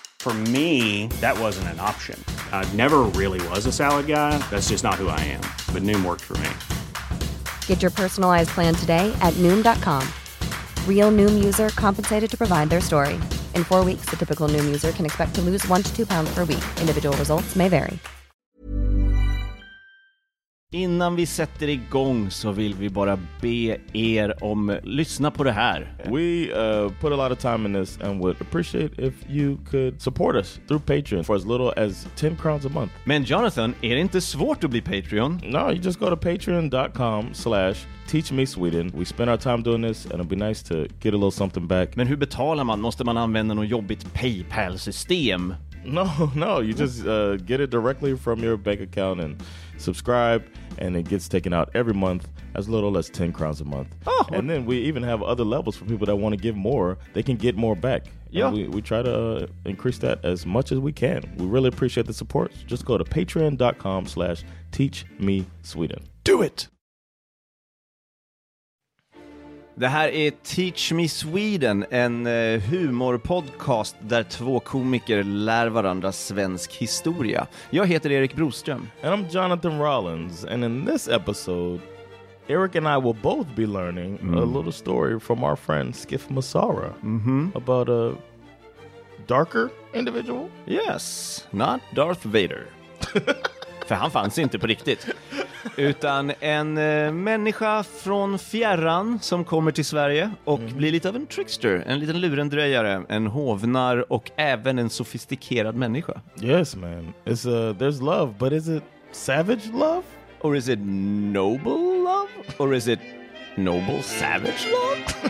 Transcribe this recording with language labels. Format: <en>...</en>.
<en>For me, that wasn't an option. I never really was a salad guy. That's just not who I am. But Noom worked for me. Get your personalized plan today at Noom.com. Real Noom user compensated to provide their story. In 4 weeks, the typical Noom user can expect to lose 1 to 2 pounds per week. Individual results may vary.</en> <sv>Innan vi sätter igång så vill vi bara be er om lyssna på det här.</sv> <en>We put a lot of time in this and would appreciate if you could support us through Patreon for as little as 10 crowns a month.</en> <sv>Men Jonathan, är det inte svårt att bli Patreon?</sv> <en>No, you just go to patreon.com/teachmesweden. We spend our time doing this and it'd be nice to get a little something back.</en> <sv>Men hur betalar man? Måste man använda något jobbigt PayPal-system?</sv> <en>No, you just get it directly from your bank account and subscribe, and it gets taken out every month as little as 10 crowns a month. Oh. And then we even have other levels for people that want to give more. They can get more back. Yeah. We try to increase that as much as we can. We really appreciate the support. Just go to patreon.com/teachmesweden. Do it!</en> <sv>Det här är Teach Me Sweden, en humorpodcast där två komiker lär varandra svensk historia. Jag heter Erik Broström.</sv> <en>And I'm Jonathan Rollins, and in this episode, Eric and I will both be learning a little story from our friend Schif Musarra about a darker individual. Yes, not Darth Vader.</en> <sv>För han fanns inte på riktigt. Utan en människa från fjärran som kommer till Sverige och blir lite av en trickster, en liten lurendrejare, en hovnar och även en sofistikerad människa.</sv> <en>Yes man, it's there's love, but is it savage love? Or is it noble love? Or is it noble savage love?</en>